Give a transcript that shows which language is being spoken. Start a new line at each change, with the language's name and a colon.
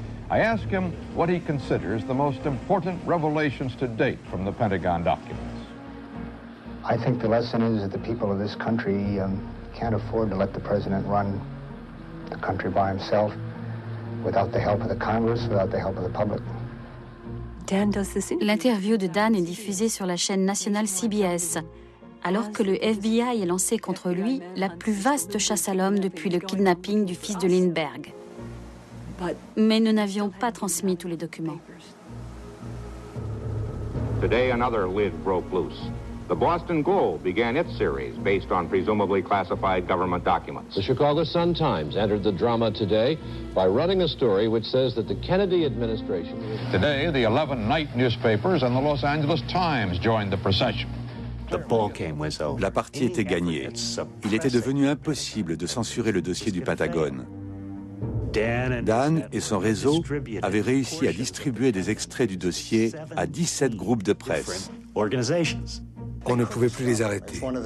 English: I ask him what he considers the most important revelations to date from the Pentagon documents. I think the lesson is that the people of this country can't afford to let the president run the country by himself without the help of the Congress, without the help of the public.
French: L'interview de Dan est diffusée sur la chaîne nationale CBS, alors que le FBI est lancé contre lui la plus vaste chasse à l'homme depuis le kidnapping du fils de Lindbergh. Mais nous n'avions pas transmis tous les documents.
English: Today another lid broke loose. The Boston Globe began its series based on presumably classified government documents. The Chicago Sun-Times entered the drama today by running a story which says that the Kennedy administration... Today, the 11 night newspapers and the Los Angeles Times joined the procession. The ball game was over.
French: La partie était gagnée. Il était devenu impossible de censurer le dossier du Pentagone. Dan et son réseau avaient réussi à distribuer des extraits du dossier à 17 groupes de presse. On ne pouvait plus les arrêter.